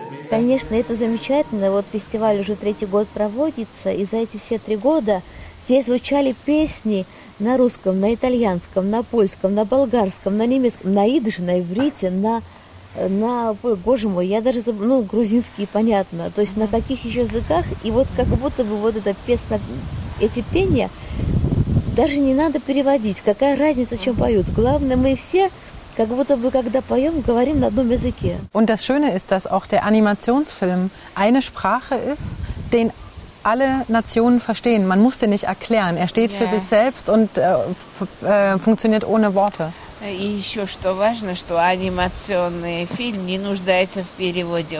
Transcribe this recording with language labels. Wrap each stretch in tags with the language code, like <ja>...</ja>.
<ru>Конечно, это замечательно. Вот фестиваль уже третий год проводится, и за эти все три года здесь звучали песни на русском, на итальянском, на польском, на болгарском, на немецком, на идыше, на иврите, грузинский, понятно. То есть на каких еще языках? И вот как будто бы вот эта песня, эти пения, даже не надо переводить. Какая разница, чем поют? Главное, мы все... Как будто бы, когда поем, говорим на одном языке.</ru> <de>Und das Schöne ist, dass auch der Animationsfilm eine Sprache ist, den alle Nationen verstehen. Man muss den nicht erklären. Er steht für sich selbst und funktioniert ohne Worte.</de> <ru>И еще что важно, что анимационный фильм не нуждается в переводе.</ru>